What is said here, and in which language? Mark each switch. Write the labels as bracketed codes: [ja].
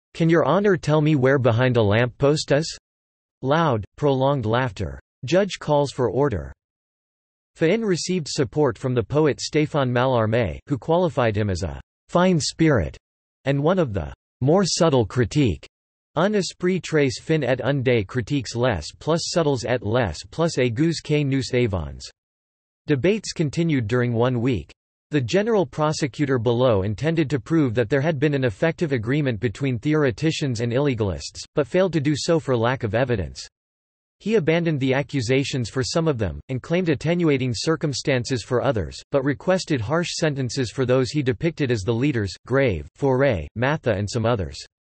[en] Can your honor tell me where behind a lamppost is?" Loud, prolonged laughter. Judge calls for order. Fahin received support from the poet Stéphane Mallarmé, who qualified him as a fine spirit and one of the more subtle critique. [fr] Un esprit trace fin et un des critiques les plus subtles et les plus aigus que nous avons. [en] Debates continued during 1 week. The general prosecutor below intended to prove that there had been an effective agreement between theoreticians and illegalists, but failed to do so for lack of evidence. He abandoned the accusations for some of them, and claimed attenuating circumstances for others, but requested harsh sentences for those he depicted as the leaders, Grave, Faure, Matha and some others.